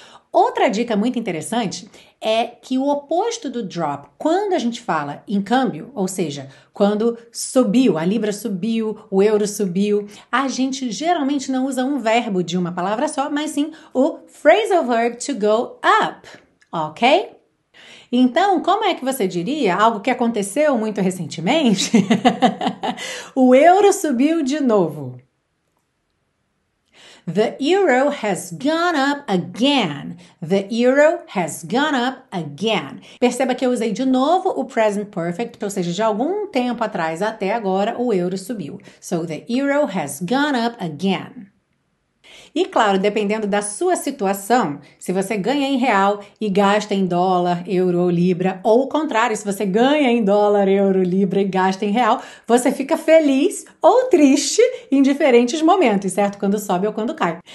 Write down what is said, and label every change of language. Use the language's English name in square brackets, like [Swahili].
[Portuguese] Outra dica muito interessante é que o oposto do drop, quando a gente fala em câmbio, ou seja, quando subiu, a libra subiu, o euro subiu, a gente geralmente não usa um verbo de uma palavra só, mas sim o phrasal verb to go up, ok? Então, como é que você diria algo que aconteceu muito recentemente? O euro subiu de novo. [English] The euro has gone up again. The euro has gone up again. [Portuguese] Perceba que eu usei de novo o present perfect, ou seja, de algum tempo atrás até agora, o euro subiu. [English] So the euro has gone up again. [Portuguese] E claro, dependendo da sua situação, se você ganha em real e gasta em dólar, euro ou libra, ou o contrário, se você ganha em dólar, euro, libra e gasta em real, você fica feliz ou triste em diferentes momentos, certo? Quando sobe ou quando cai.